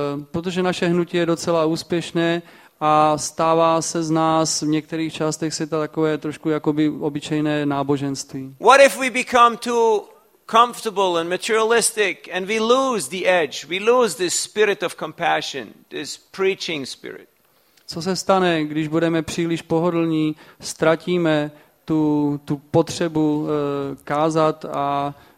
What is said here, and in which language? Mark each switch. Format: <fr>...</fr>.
<cs>Protože naše hnutí je docela úspěšné a stává se z nás v některých částech světa takové trošku jakoby obyčejné náboženství.</cs> <en>What if we become too comfortable and materialistic and we lose the edge? We lose this spirit of compassion, this preaching spirit.</en> <cs>Co se stane, když budeme příliš pohodlní, ztratíme tu potřebu kázat a</cs>